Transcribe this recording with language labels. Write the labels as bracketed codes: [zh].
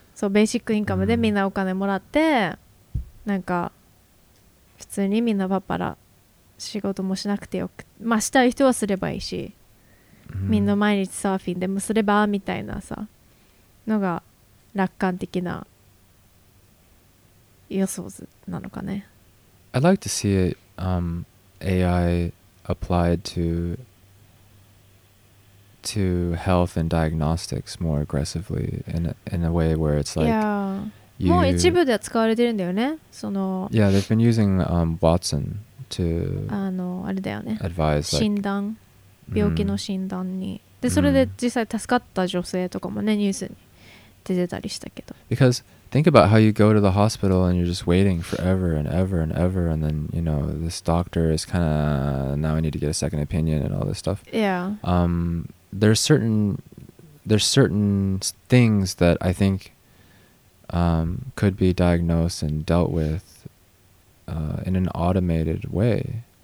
[ja] So basic income でみんなお金もらって、なんか普通にみんなパッパラ仕事もしなくてよく、まあしたい人はすればいいし、みんな毎日サーフィンでもすればみたいなさ、のが楽観的な予想図なのかね。 [en] I'd like to see AI applied to health and diagnostics more aggressively in a way where it's like, yeah. [ja] もう一部では使われてるんだよね。その [en] Yeah, they've been using Watson to [ja] あれだよね。 [en] advise, like, [ja] 診断、病気の診断に。で、それで実際助かった女性とかもね、ニュースに出てたりしたけど。 [en] Because think about how you go to the hospital and you're just waiting forever and ever and ever, and then, you know, this doctor is kind of, now I need to get a second opinion and all this stuff. Yeah. There's certain things that I think could be diagnosed and dealt with in an automated way.